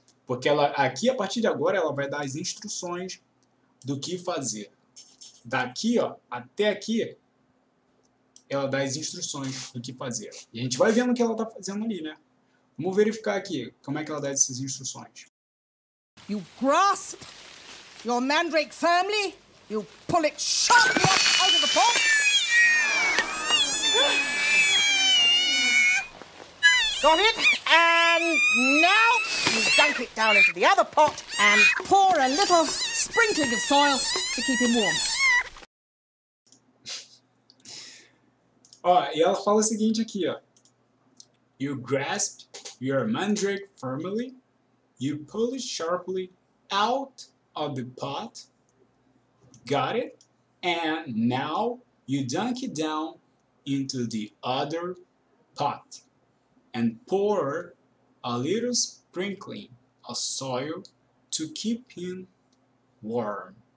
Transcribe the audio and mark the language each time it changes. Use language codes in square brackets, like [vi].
[pt] Porque ela, aqui, a partir de agora, ela vai dar as instruções do que fazer. Daqui, ó, até aqui, ela dá as instruções do que fazer. E a gente vai vendo o que ela tá fazendo ali, né? Vamos verificar aqui como é que ela dá essas instruções. [en] You grasp your mandrake firmly, you pull it sharply out of the pot. Got it? And now you dunk it down into the other pot and pour a little sprinkling of soil to keep him warm. [pt] Ó, e ela fala o seguinte aqui, ó. [en] You grasp your mandrake firmly, you pull it sharply out of the pot, got it? And now you dunk it down into the other pot and pour a little sprinkling of soil to keep him warm.